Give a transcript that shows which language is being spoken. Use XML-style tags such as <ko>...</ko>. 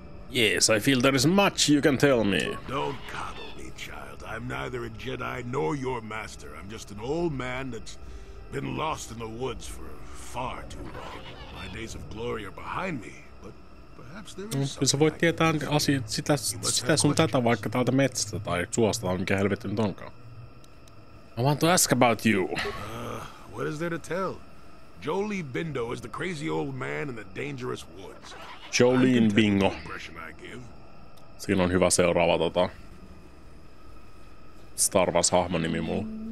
<en>Yes, I feel there is much you can tell me. Don't coddle me, child. I'm neither a Jedi nor your master. I'm just an old man that's been lost in the woods for far too long. My days of glory are behind me, but perhaps there is something.</en> <fi>Sä voit tietää sitä sun tätä vaikka täältä metsästä tai suosta, mikä helvetti nyt onkaan.</fi> <en>I want to ask about you. What is there to tell? Jolie Bindo is the crazy old man in the dangerous woods. Jolie Bingo.</en> <fi>Siinä on hyvä seuraava Star Wars hahmo nimi mulla.</fi>